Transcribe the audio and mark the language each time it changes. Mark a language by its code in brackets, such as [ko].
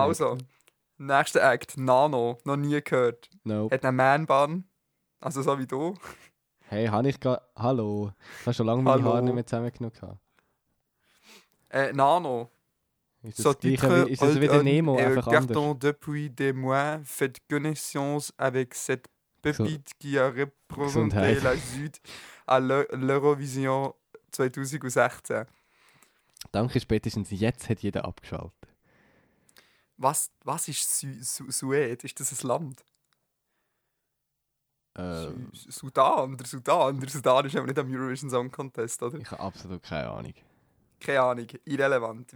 [de] Act. Also, nächster Act, Nano, noch nie gehört. Nope. Hat eine Man-Bun, also so wie du. Hey, habe ich gerade. Hallo. Ich habe schon lange meine Haare nicht mehr zusammengenommen. Nano. Ist das so gleiche, ist es wieder Nemo, einfach anders? [fr] Pardon, depuis des mois, faites connaissance avec cette pépite qui a représenté la Süd à l'Eurovision 2016. [de] Danke, spätestens jetzt hat jeder abgeschaltet. Was ist Suède? Ist das ein Land? Sudan ist aber nicht am Eurovision Song Contest, oder? Ich habe absolut keine Ahnung. Keine Ahnung, irrelevant.